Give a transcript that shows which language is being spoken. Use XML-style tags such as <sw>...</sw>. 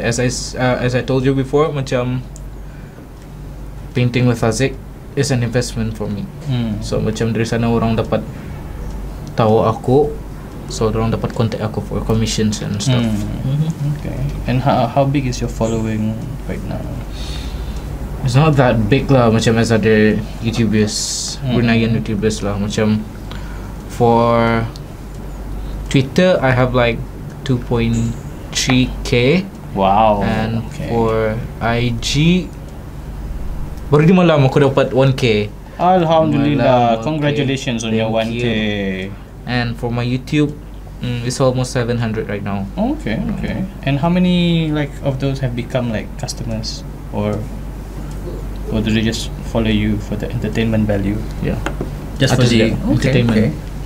<en>As I told you before,</en> <ms>macam</ms> <en>painting with Haziq. It's an investment for me.</en> <ms>So macam dari sana orang dapat tahu aku, so orang dapat contact aku</ms> <en>for commissions and stuff. Okay. And how big is your following right now? It's not that big lah,</en> <ms>macam</ms> <en>as</en> <ms>ada</ms> <en>YouTubers, Bruneian YouTubers lah.</en> <ms>Macam</ms> <en>for Twitter, I have like 2.3k. Wow. And okay. For IG.</en> <ms>Baru di malam aku dapat 1k.</ms> <en>Alhamdulillah, malam, congratulations on your 1k. You. And for my YouTube, it's almost 700 right now. Okay. And how many like of those have become like customers, or do they just follow you for the entertainment value? Yeah, just for the entertainment.</en>